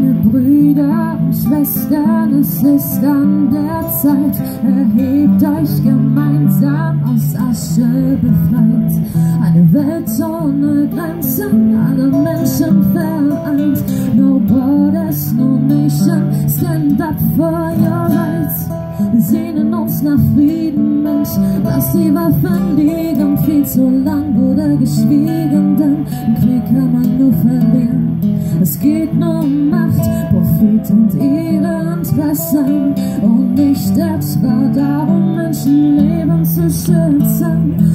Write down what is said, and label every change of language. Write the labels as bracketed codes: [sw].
[de] Brüder und Schwestern, es ist an der Zeit, erhebt euch gemeinsam aus Asche befreit. Eine Welt ohne Grenzen, alle Menschen vereint. [en] No borders, no nation, stand up for your rights. [de] Wir sehnen uns nach Frieden, Mensch, lass die Waffen liegen. Viel zu lang wurde geschwiegen, denn im Krieg kann man nur verlieren. Es geht nur um Macht, Profit und Ehre und Gassern. Und nicht etwa darum, Menschenleben zu schützen.